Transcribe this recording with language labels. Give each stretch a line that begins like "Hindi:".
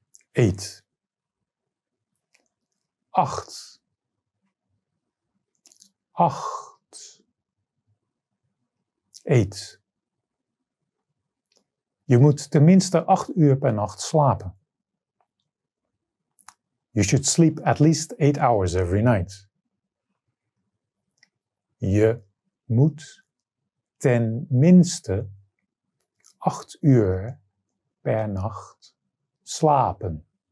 Dutch: 8. 8. 8. 8. Je moet tenminste 8 uur per nacht slapen.
English: You should sleep at least 8 hours every night.
Dutch: Je moet tenminste 8 uur per nacht slapen.